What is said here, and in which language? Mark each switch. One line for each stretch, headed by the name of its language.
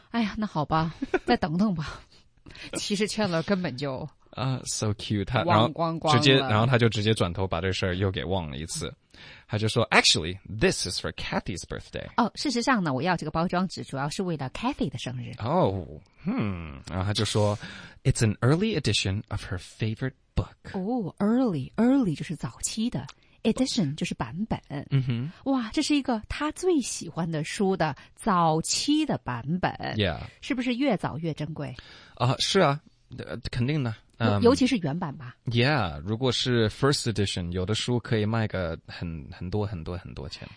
Chinese: 哎呀，那好吧，再等等吧。其实劝了根本就啊、
English: so cute，
Chinese: 他然后直接转头把这事儿又给忘了一次，他就说
English: actually this is for Kathy's birthday。
Chinese: 哦，事实上呢，我要这个包装纸主要是为了 Kathy 的生日。哦，然后他就说
English: it's an early edition of her favorite book。
Chinese: 哦 ，early 就是早期的 edition 就是版本。嗯哼，哇，这是一个他最喜欢的书的早期的版本。 Yeah，是不是越早越珍贵？是啊，肯定的。尤其是原版吧。 Yeah， 如果是 first edition， 有的书可以卖个很多钱。